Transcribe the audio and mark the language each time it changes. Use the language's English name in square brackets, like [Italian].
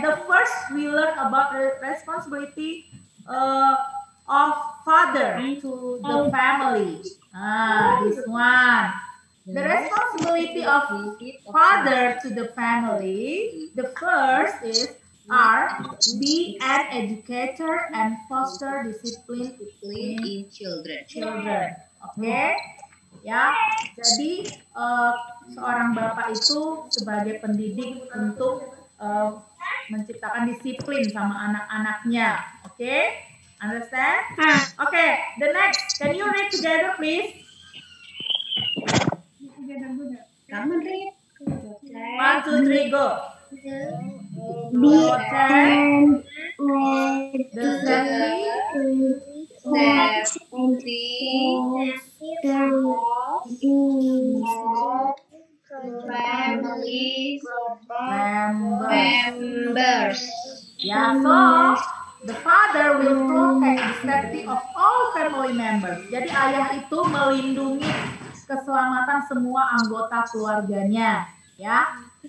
[English] The first we learn about the responsibility of father to the family. This one. The responsibility of father to the family, the first is R, be an educator and foster discipline in children. Children, okay? [Indonesian] Ya, jadi seorang bapak itu sebagai pendidik untuk menciptakan disiplin sama anak-anaknya, oke? [English] Okay? Understand? Oke, okay, the next, can you read together please? [Indonesian] Kamu [English] read. 1, 2, 3, go. Be an educator and foster family members. Yeah, so the father will protect the safety of all family members. [Indonesian] Jadi ayah itu melindungi keselamatan semua anggota keluarganya, ya.